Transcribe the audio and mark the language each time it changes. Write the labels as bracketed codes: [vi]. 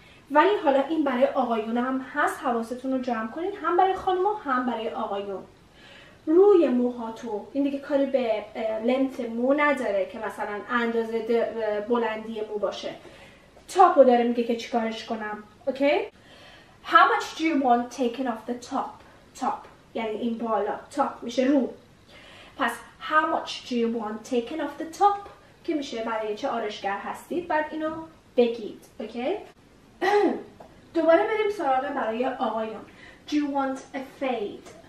[fa] ولی حالا این برای آقایون هم هست, حواستون رو جمع کنید, هم برای خانم و هم برای آقایون. روی موهاتو این دیگه کاری به لنت مو نداره که مثلا اندازه بلندی مو باشه, تاپو داره میگه که چیکارش کنم. [en] Okay, how much do you want taken off the top? [fa] Top یعنی این بالا, top میشه رو. پس [en] how much do you want taken off the top [fa] که میشه برای چه آرشگر هستید بعد اینو بگید. اوکی, دوباره بریم سراغ برای آقایان. [en] do you want a fade?